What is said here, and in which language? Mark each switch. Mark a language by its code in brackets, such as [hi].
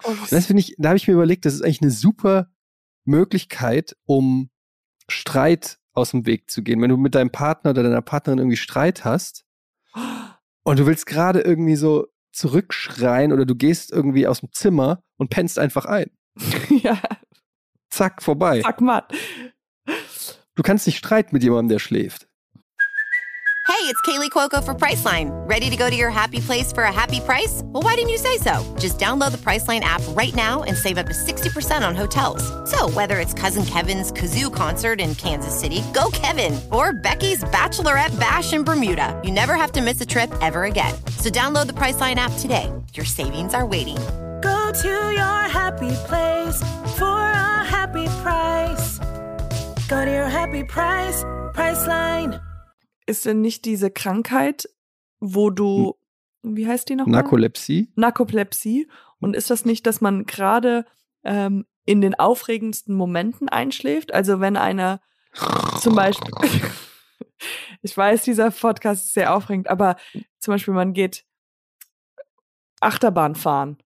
[de] Und das finde ich, da habe ich mir überlegt, das ist eigentlich eine super Möglichkeit, um Streit aus dem Weg zu gehen. Wenn du mit deinem Partner oder deiner Partnerin irgendwie Streit hast und du willst gerade irgendwie so zurückschreien oder du gehst irgendwie aus dem Zimmer und pennst einfach ein. Ja. Zack, vorbei. Zack, Mann. Du kannst nicht streiten mit jemandem, der schläft. [en] Hey, it's Kaylee Cuoco for Priceline. Ready to go to your happy place for a happy price? Well, why didn't you say so? Just download the Priceline app right now and save up to 60% on hotels. So whether it's Cousin Kevin's Kazoo Concert in Kansas City, go Kevin! Or Becky's Bachelorette Bash in Bermuda, you never have to miss a trip ever again. So download the Priceline app today. Your savings are waiting. Go to your happy place for a happy price. Go to your happy price, Priceline. [de] Ist denn nicht diese Krankheit, wo du, wie heißt die nochmal? Narkolepsie. Und ist das nicht, dass man gerade in den aufregendsten Momenten einschläft? Also wenn einer zum Beispiel, ich weiß, dieser Podcast ist sehr aufregend, aber zum Beispiel man geht Achterbahn fahren.